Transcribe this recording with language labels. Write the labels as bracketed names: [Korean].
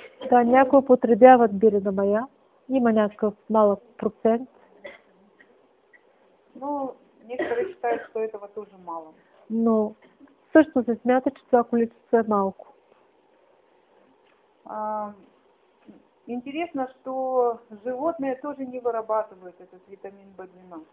[Bulgarian] Да, някои употребяват бирена моя. Има някакъв малък процент. [Russian] Но некоторые считают, что этого тоже мало. [Bulgarian] Но също се смята, че това количество е малко. [Russian] Интересно, что животные тоже не вырабатывают этот витамин B12.